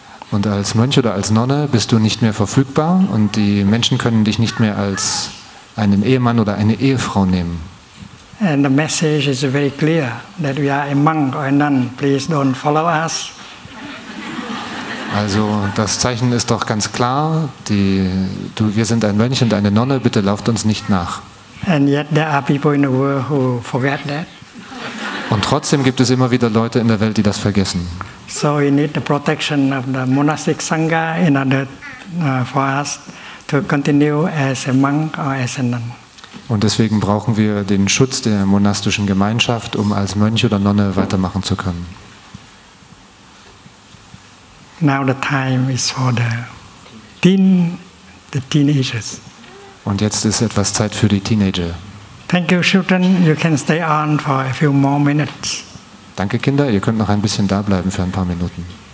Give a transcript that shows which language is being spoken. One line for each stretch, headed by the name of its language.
German: Und als Mönch oder als Nonne bist du nicht mehr verfügbar und die Menschen können dich nicht mehr als einen Ehemann oder eine Ehefrau nehmen.
English: And the message is very clear that we are a monk or a nun. Please don't follow us.
German: Also das Zeichen ist doch ganz klar. Wir sind ein Mönch und eine Nonne. Bitte lauft uns nicht nach.
English: And yet there are people in the world who forget that.
German: Und trotzdem gibt es immer wieder Leute in der Welt, die das vergessen.
English: So we need the protection of the monastic sangha in order for us to continue as a monk or as a nun.
German: Und deswegen brauchen wir den Schutz der monastischen Gemeinschaft, um als Mönch oder Nonne weitermachen zu können.
English: Now the time is for the teenagers.
German: Und jetzt ist etwas Zeit für die Teenager.
English: Thank you, children. You can stay on for a few more minutes.
German: Danke, Kinder. Ihr könnt noch ein bisschen da bleiben für ein paar Minuten.